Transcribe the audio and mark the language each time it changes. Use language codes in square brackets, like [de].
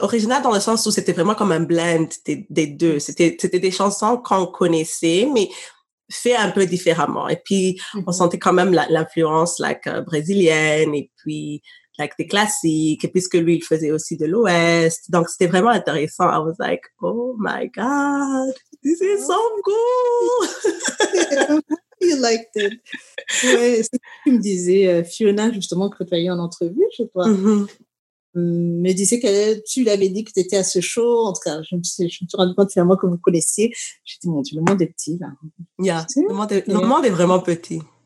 [fr] Original dans le sens où c'était vraiment comme un blend des deux. C'était des chansons qu'on connaissait, mais fait un peu différemment. Et puis, mm-hmm. on sentait quand même l'influence, like, brésilienne, et puis, like, des classiques, et puisque lui, il faisait aussi de l'Ouest. Donc, c'était vraiment intéressant. [en] I was like, oh my God, this is so cool! Yeah, you liked it. [fr] Ouais, c'est ce que tu me disais, Fiona, justement, que tu as eu en entrevue chez toi. Mm-hmm. Me disait que tu lui avais dit que tu étais à ce show. En tout cas, je me suis rendu compte finalement que vous connaissiez. J'ai dit, mon Dieu, le monde est petit, là. Yeah, tu sais? le monde est vraiment petit.